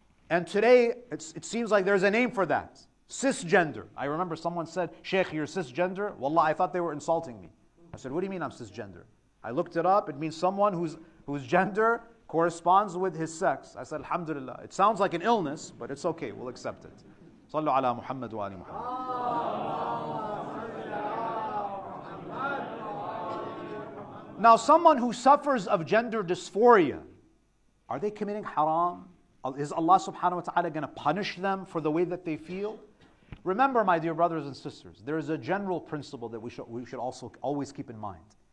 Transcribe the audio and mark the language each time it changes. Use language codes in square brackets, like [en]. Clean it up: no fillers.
[en] And today, it seems like there's a name for that. Cisgender. I remember someone said, Sheikh, you're cisgender? Wallah, I thought they were insulting me. I said, what do you mean I'm cisgender? I looked it up. It means someone whose gender corresponds with his sex. I said, Alhamdulillah. It sounds like an illness, but it's okay. We'll accept it. [ar] صلوا على محمد وآل محمد. اللهم صل على محمد وآل محمد. [en] Now, someone who suffers of gender dysphoria, are they committing haram? Is Allah subhanahu wa ta'ala going to punish them for the way that they feel? Remember, my dear brothers and sisters, there is a general principle that we should also always keep in mind.